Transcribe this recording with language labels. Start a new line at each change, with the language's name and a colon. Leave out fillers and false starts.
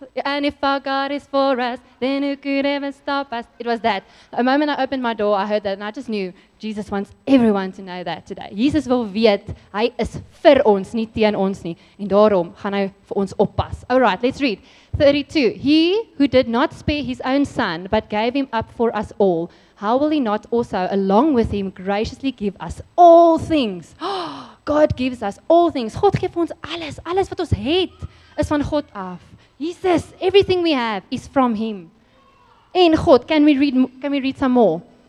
English: And if our God is for us, then who could ever stop us? It was that. The moment I opened my door, I heard that, and I just knew Jesus wants everyone to know that today.
Afrikaans: Jesus wil weet, hy is vir ons, nie teen ons nie. En daarom gaan hy vir ons oppas.
English: All right, let's read. 32. He who did not spare his own son, but gave him up for us all, how will he not also, along with him, graciously give us all things? God gives us all things.
Afrikaans: God geef ons alles. Alles wat ons het, is van God af.
English: Jesus, everything we have is from him. En God, can we read some more?